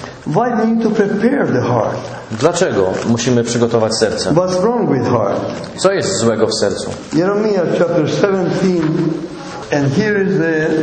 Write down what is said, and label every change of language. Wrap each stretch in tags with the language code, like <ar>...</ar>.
<en>Why do we need to prepare the heart?</en> <pl>Dlaczego musimy przygotować serce?</pl> <en>What's wrong with heart?</en> <pl>Co jest złego w sercu?</pl> <en>Jeremiah chapter 17, and here is the</en>